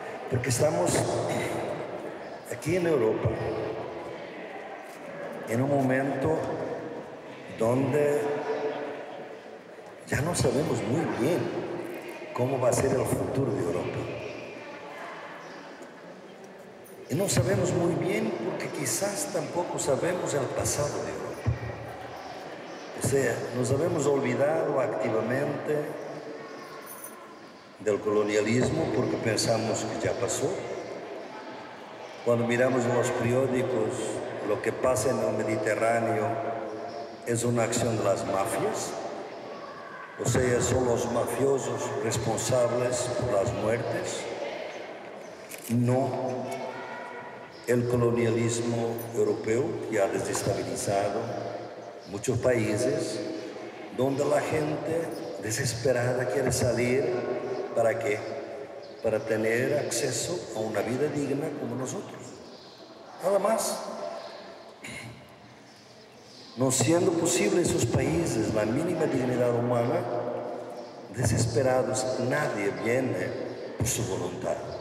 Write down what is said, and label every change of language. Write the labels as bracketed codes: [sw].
[es] Porque estamos aquí en Europa en un momento donde ya no sabemos muy bien cómo va a ser el futuro de Europa. [pt] E não sabemos muito bem, porque [es] quizás [pt] tampouco sabemos o passado de hoje. Ou seja, nos havemos [es] olvidado activamente [pt] do colonialismo, porque pensamos que já passou. Quando [es] miramos [pt] nos periódicos, o que passa no Mediterrâneo é uma ação das máfias. Ou seja, são os mafiosos responsáveis pelas mortes, não o colonialismo europeu, que [es] ha desestabilizado [pt] muitos países, onde a gente desesperada quer sair. [es] ¿Para qué? Para tener acceso a una vida digna como nosotros. Nada más. No siendo posible en sus países la mínima dignidad humana, desesperados, nadie viene por su voluntad.